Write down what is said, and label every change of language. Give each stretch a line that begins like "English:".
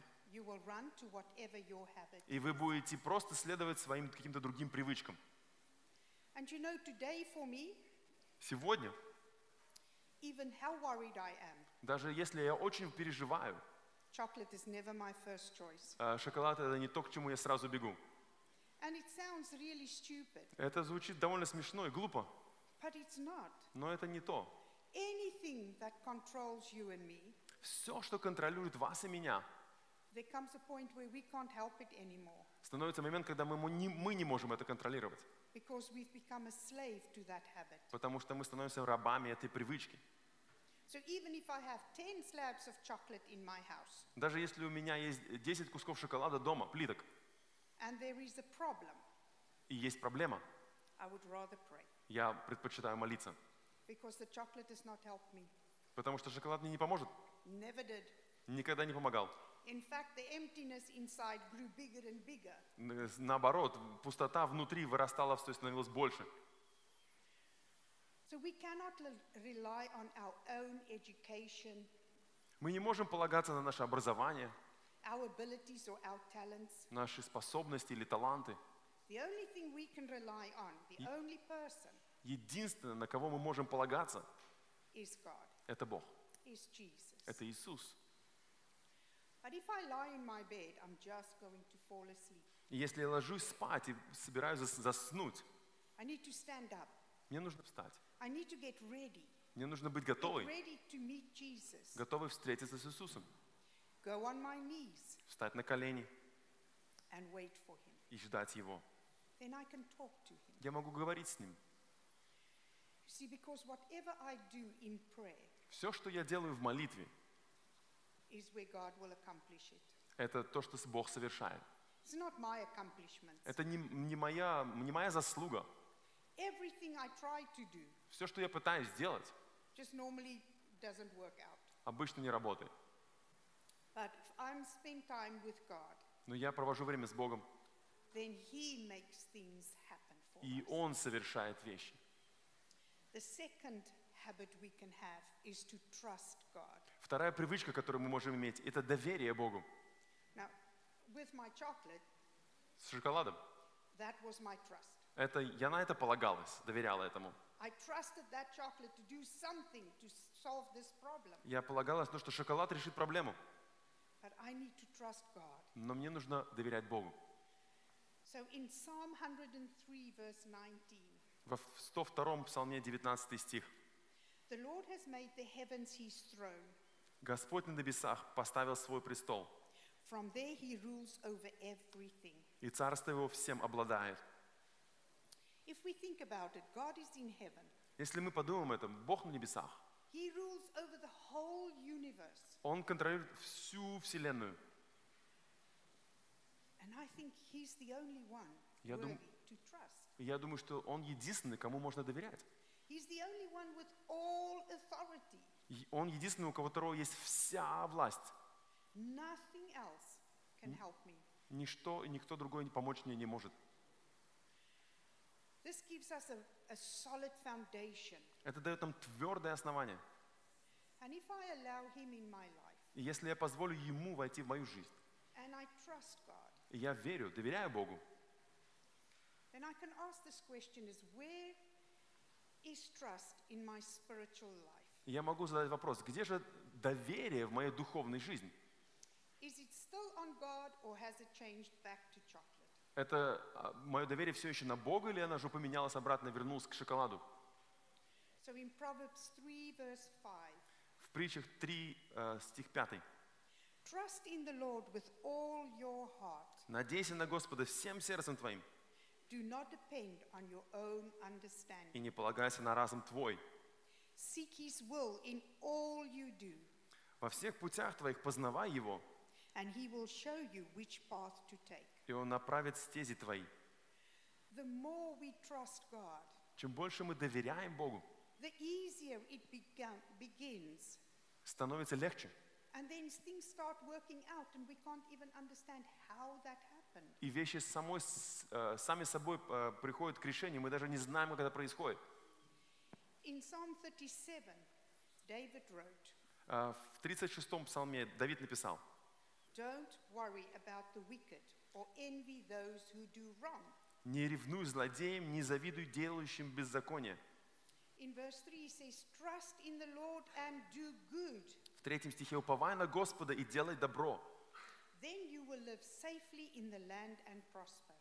English: You will run to whatever your habit is.
Russian: И вы будете просто следовать своим каким-то другим привычкам.
English: And you know, today for me,
Russian: сегодня,
English: even how worried I am,
Russian: даже если я очень переживаю,
English: chocolate is never my first choice.
Russian: Шоколад — это не то, к чему я сразу бегу.
English: And it sounds really stupid.
Russian: Это звучит довольно смешно и глупо.
English: But it's not.
Russian: Но это не то.
English: Anything that controls you and me.
Russian: Все, что контролирует вас и меня.
English: There comes a point where we can't help it anymore.
Russian: Становится момент, когда мы не можем это контролировать.
English: Because we've become a slave to that habit.
Russian: Потому что мы становимся рабами этой привычки.
English: So even if I have 10 slabs of chocolate in my house,
Russian: даже если у меня есть 10 кусков шоколада дома, плиток,
English: and there is a problem,
Russian: и есть проблема,
English: I would rather pray.
Russian: Я предпочитаю молиться.
English: Because the chocolate does not help me.
Russian: Потому что шоколад мне не поможет.
English: Never did.
Russian: Никогда не помогал.
English: In fact, the emptiness inside grew bigger and bigger.
Russian: Наоборот, пустота внутри вырастала, все становилось больше.
English: So we cannot rely on our own education.
Russian: Мы не можем полагаться на наше образование.
English: our abilities or our talents.
Russian: Наши способности или таланты.
English: The only thing we can rely on, the only person.
Russian: Единственное, на кого мы можем полагаться,
English: is God.
Russian: Это Бог.
English: Is Jesus.
Russian: Это Иисус.
English: But if I lie in my bed, I'm just going to fall asleep.
Russian: Если я ложусь спать и собираюсь заснуть,
English: I need to stand up.
Russian: Мне нужно встать.
English: I need to get ready.
Russian: Мне нужно быть готовой.
English: Get ready to meet Jesus.
Russian: Готовой встретиться с Иисусом.
English: Go on my knees.
Russian: Встать на колени.
English: And wait for him.
Russian: И ждать Его.
English: Then I can talk to him.
Russian: Я могу говорить с Ним.
English: You see, because whatever I do in prayer,
Russian: все, что я делаю в молитве,
English: is where God will accomplish it.
Russian: Это то, что Бог совершает.
English: It's not my accomplishments.
Russian: Это не моя заслуга.
English: Everything I try to do,
Russian: все, что я пытаюсь сделать,
English: just normally doesn't work out.
Russian: Обычно не работает.
English: But if I'm spend time with God,
Russian: но я провожу время с Богом,
English: then he makes things happen for
Russian: и
English: us.
Russian: Он совершает вещи.
English: The second habit we can have is to trust God.
Russian: Вторая привычка, которую мы можем иметь, это доверие Богу.
English: Now, with my chocolate,
Russian: с шоколадом,
English: that was my trust.
Russian: Это, я на это полагалась, доверяла этому.
English: I trusted that chocolate to do something to solve this problem.
Russian: Я полагалась, что шоколад решит проблему.
English: But I need to trust God.
Russian: Но мне нужно доверять Богу.
English: So in Psalm 103, verse 19,
Russian: в 102-м псалме 19 стих.
English: The Lord has made the heavens his throne.
Russian: Господь на небесах поставил свой престол.
English: From there he rules over everything.
Russian: И царство его всем обладает.
English: If we think about it, God is in heaven.
Russian: Если мы подумаем об этом, Бог на небесах.
English: He rules over the whole universe.
Russian: Он контролирует всю вселенную.
English: And I think he's the only one to trust.
Russian: Я думаю, что он единственный, кому можно доверять.
English: He's the only one with all authority.
Russian: Он единственный, у которого есть вся власть.
English: Nothing else can help me.
Russian: Ничто и никто другой помочь мне не может.
English: This gives us a solid foundation.
Russian: Это дает нам твердое основание.
English: And if I allow him in my life,
Russian: и если я позволю ему войти в мою жизнь,
English: and I trust God,
Russian: и я верю, доверяю Богу,
English: then I can ask this question: is where is trust in my spiritual life?
Russian: Я могу задать вопрос: где же доверие в моей духовной жизни?
English: Is it still on God, or has it changed back to chocolate?
Russian: Это мое доверие все еще на Бога, или оно же поменялось обратно, вернулось к шоколаду?
English: So in Proverbs 3, verse 5,
Russian: в притчах 3, стих 5.
English: Trust in the Lord with all your heart.
Russian: Надейся на Господа всем сердцем твоим.
English: Do not depend on your own understanding.
Russian: И не полагайся на разум твой.
English: Seek his will in all you do.
Russian: Во всех путях твоих познавай его.
English: And he will show you which path to take.
Russian: И Он направит стези твои.
English: The more we trust God,
Russian: чем больше мы доверяем Богу,
English: the easier it begins.
Russian: Становится легче.
English: And then things start working out, and we can't even understand how that happened.
Russian: И вещи сами собой приходят к решению, мы даже не знаем, как это происходит.
English: In Psalm 37, David wrote,
Russian: в 36-м псалме Давид написал:
English: Don't worry about the wicked. Or envy those who do wrong.
Russian: Не ревнуй злодеям, не завидуй делающим беззаконие.
English: In verse 3 he says, trust in the Lord and do good.
Russian: В третьем стихе уповай на Господа и делай добро.
English: Then you will live safely in the land and prosper.